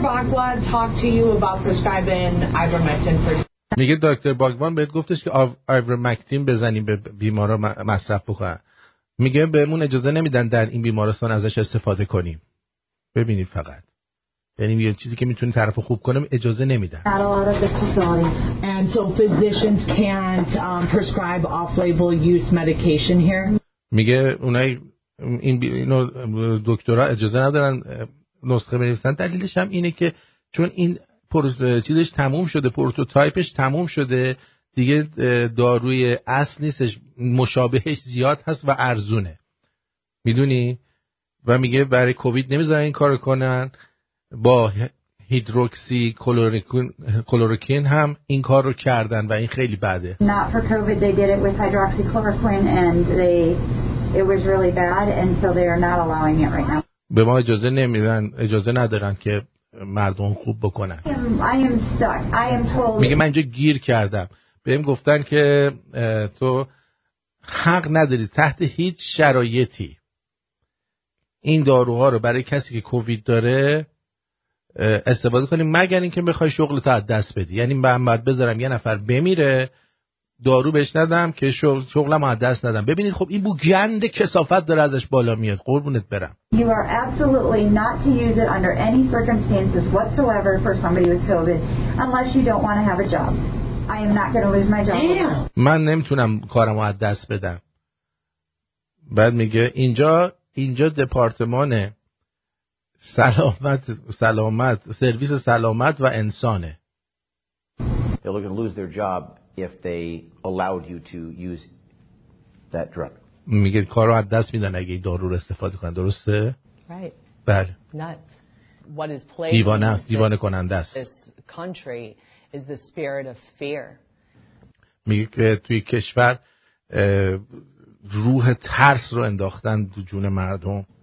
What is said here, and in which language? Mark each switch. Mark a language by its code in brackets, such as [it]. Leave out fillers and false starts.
[en] Bhagwan talked to you about prescribing ivermectin for [fa] میگه دکتر باگوان بهت گفتش که ivermectin بزنیم به بیمارا مصرف بکنن. میگه بهمون اجازه نمیدن در این بیمارستان ازش استفاده کنیم. ببینید فقط. یعنی یه چیزی که میتونه طرفو خوب کنه اجازه نمیدن. [en] And so physicians can't prescribe off-label use medication here. [fa] میگه اونای این اینو دکترها اجازه ندارن نسخه بنویسن. دلیلش هم اینه که چون این چیزش تموم شده، پروتوتایپش تموم شده، دیگه داروی اصل نیستش، مشابهش زیاد هست و ارزونه. میدونی؟ و میگه برای کووید نمیذارن این کارو کنن. با هیدروکسی کلورکین هم این کار رو کردن و این خیلی بده. [en] Not for COVID, they did it with hydroxychloroquine and it was really bad and so they are not allowing it right now. [fa] به ما اجازه نمیدن، اجازه ندارن که مردم خوب بکنن. [en] I am stuck. [fa] میگه من اینجا گیر کردم. بهم گفتن که تو حق نداری تحت هیچ شرایطی این داروها رو برای کسی که کووید داره استفاده کنیم مگر اینکه بخوای شغلتو از دست بدی، یعنی من بعد بذارم یه نفر بمیره دارو بهش ندم که شغلمو از دست ندم. ببینید خب این بو گند کثافت داره ازش بالا میاد. قربونت برم. [en] You are absolutely not to use it under any circumstances whatsoever for somebody with COVID unless you don't want to have a job. I am not going to lose my job. Damn. [fa] من نمیتونم کارمو از دست بدم. بعد میگه اینجا دپارتمان سلامت سرویس سلامت و انسانه. [en] They're going to lose their job if they allowed you to use that drug. [fa] میگه کارو از دست میدن اگه دارو رو استفاده کنن، درسته؟ [en] Right. [fa] بله. [en] Not what is playing. [fa] دیوانه کننده است. [en] This country is the spirit of fear. [fa] میگه که توی کشور روح ترس رو انداختن تو جون مردم.